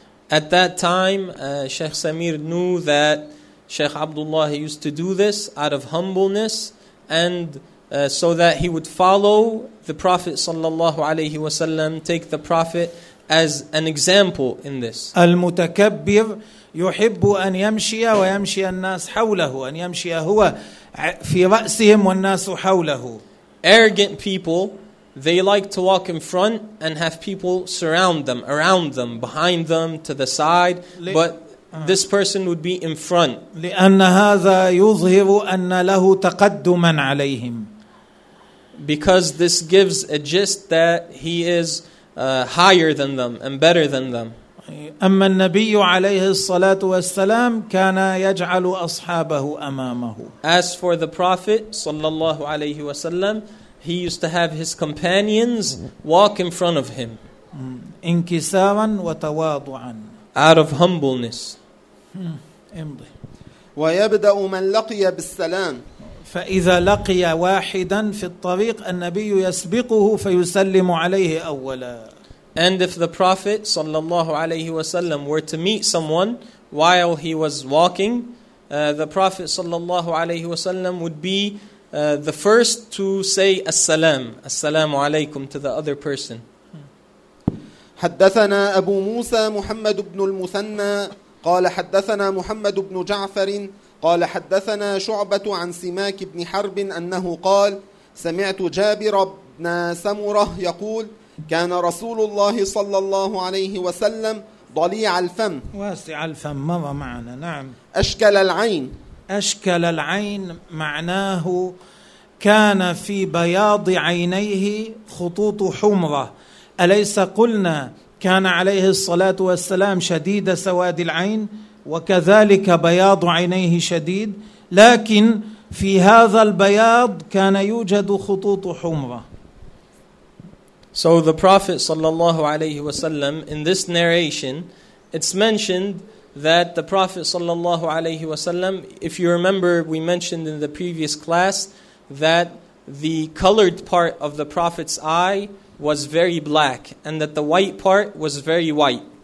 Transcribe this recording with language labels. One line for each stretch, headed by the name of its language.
English: At that time, Sheikh Samir knew that Sheikh Abdullah used to do this out of humbleness and so that he would follow the Prophet
Arabic: sallallahu alayhi wa sallam,
English: take the Prophet as an example in this.
Arabic: المتكبر يحب أن يمشي ويمشي الناس حوله أن يمشي هو في رأسهم والناس حوله.
English: Arrogant people, they like to walk in front and have people surround them, around them, behind them, to the side. But this person would be in front.
Arabic: لأن هذا يظهر أن له تقدما عليهم.
English: Because this gives a gist that he is higher than them and better than them.
Arabic: أما النبي عليه الصلاة والسلام كان يجعل أصحابه أمامه.
English: As for the Prophet
Arabic: صلى الله عليه وسلم,
English: he used to have his companions walk in front of him.
Arabic: انكسارا وتواضعا.
English: Out of humbleness.
Arabic: امضي. ويبدأ من لقي بالسلام. فإذا لقي واحدا في الطريق النبي يسبقه فيسلم عليه أولا.
English: And if the Prophet
Arabic: sallallahu alayhi wasallam
English: were to meet someone while he was walking, the Prophet sallallahu alayhi wasallam would be the first to say
Arabic: as-salam, as-salamu alaykum,
English: to the other person.
Arabic: حدثنا أبو موسى محمد بن المثنى قال حدثنا محمد بن جعفر قال حدثنا شعبة عن سماك بن حرب أنه قال سمعت جابر بن سمرة يقول كان رسول الله صلى الله عليه وسلم ضليع الفم واسع الفم مضى معنا نعم أشكل العين أشكل العين معناه كان في بياض عينيه خطوط حمرة أليس قلنا كان عليه الصلاة والسلام شديد سواد العين وكذلك بياض عينيه شديد لكن في هذا البياض كان يوجد خطوط حمرة.
English: So the Prophet
Arabic: sallallahu alayhi wasallam,
English: in this narration, it's mentioned that the Prophet sallallahu alayhi wasallam, if you remember, we mentioned in the previous class that the colored part of the Prophet's eye was very black and that the white part was very white.